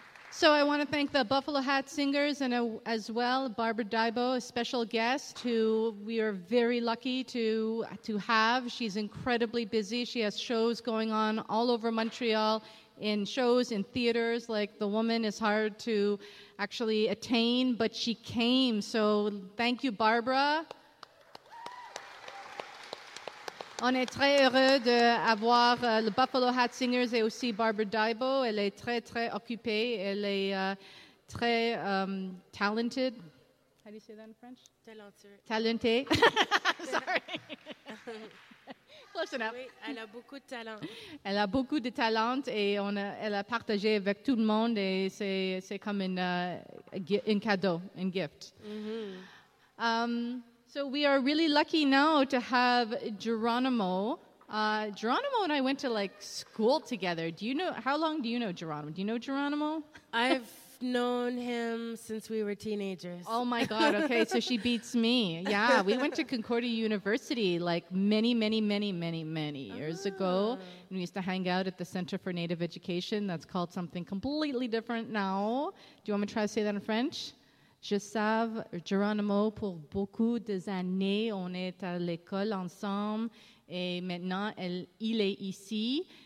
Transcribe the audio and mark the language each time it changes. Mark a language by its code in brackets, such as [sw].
[en] So I want to thank the Buffalo Hat Singers and as well Barbara Dibo, a special guest who we are very lucky to have. She's incredibly busy. She has shows going on all over Montreal, in shows, in theaters. Like, the woman is hard to actually attain, but she came. So thank you, Barbara. [fr] On est très heureux d'avoir le Buffalo Hat Singers et aussi Barbara Dibo. Elle est très, très occupée. Elle est très [en] talented. How do you say that in French? [fr] Talentée. [en] Sorry. Close enough. [fr] Oui, elle a beaucoup de talent. Elle a beaucoup de talent et elle a partagé avec tout le monde et c'est comme un cadeau, un gift. Mm-hmm. [en] So we are really lucky now to have Geronimo. Geronimo and I went to like school together. How long do you know Geronimo? Do you know Geronimo? I've known him since we were teenagers. Oh my God, okay, so she beats me. Yeah, we went to Concordia University like many, many, many, many, many years ago. And we used to hang out at the Center for Native Education. That's called something completely different now. Do you want me to try to say that in French? [fr] Je savais Geronimo pour beaucoup d'années. On est à l'école ensemble et maintenant il est ici.